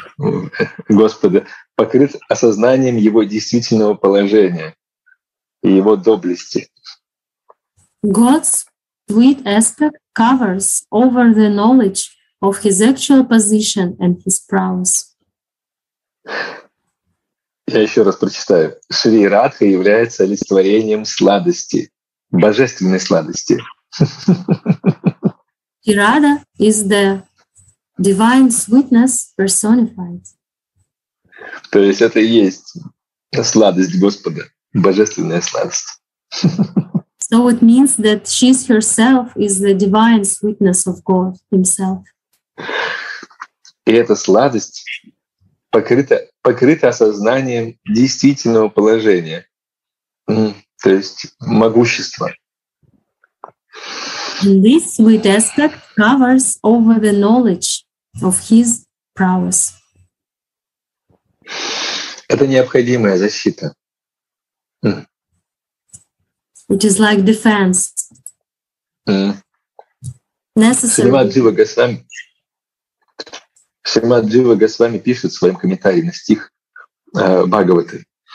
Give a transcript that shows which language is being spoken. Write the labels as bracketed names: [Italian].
[Russian] Аспект сладости Господа покрыт осознанием его действительного положения и его доблести. [English] God's sweet aspect covers over the knowledge of his actual position and his prowess. [Russian] Я еще раз прочитаю. Шри Радха является олицетворением сладости, божественной сладости. [English] Шри Радха is the divine sweetness personified. [Russian] То есть это и есть сладость Господа, божественная сладость. [English] So it means that she herself is the divine sweetness of God himself. [Russian] И эта сладость покрыта осознанием действительного положения, то есть могущества. [English] And this sweet aspect covers over the knowledge of his prowess. [Russian] Это необходимая защита. [English] Which is like defense. Necessary. [Russian] Шримад Джива Госвами пишет в своем комментарии на стих Бхагаваты.